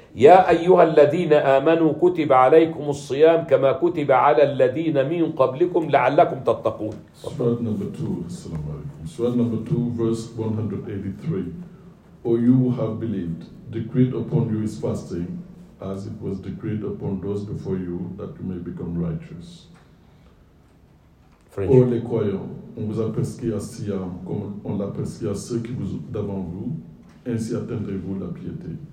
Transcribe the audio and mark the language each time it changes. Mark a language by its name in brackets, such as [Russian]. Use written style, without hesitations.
[Arabic] يا أيها الذين آمنوا كتب عليكم الصيام كما كتب على الذين من قبلكم لعلكم تتقون. [English] Surah number 2. Assalamu alaikum. Surah number 2, verse 183. O you who have believed, decreed upon you is fasting, as it was decreed upon those before you, that you may become righteous. French. [French] Oh, les croyants, on vous a prescrit un siam, comme on l'a prescrit à ceux qui vous d'avant vous, ainsi atteindrez-vous la piété.